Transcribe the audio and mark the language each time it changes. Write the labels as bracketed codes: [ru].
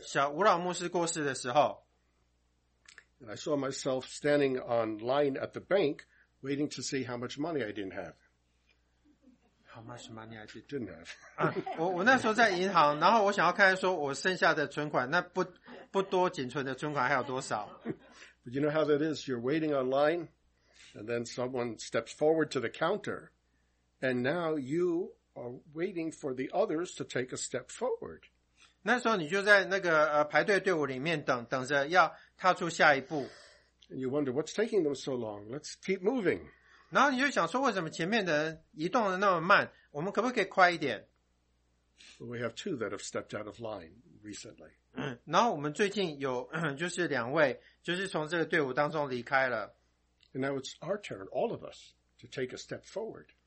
[zh] 当那个吴牧师，小吴老牧师过世的时候， [en] and I saw myself standing on line at the bank, waiting to see how much money I didn't have. How much money I didn't have? [zh] 我那时候在银行，然后我想要看说我剩下的存款，那不多仅存的存款还有多少？ [en] But you know how that is. You're waiting on line, and then someone steps forward to the counter, and now you are waiting for the others to take a step forward. [zh] 那时候你就在那个排队队伍里面等，等着要踏出下一步。 [en] And you wonder what's taking them so long. Let's keep moving. [zh] 然后你就想说，为什么前面的人移动的那么慢？我们可不可以快一点？ [en] Well, we have two that have stepped out of line recently. [zh] 然后我们最近有就是两位就是从这个队伍当中离开了。 [en] And now it's our turn, all of us, to take a step forward.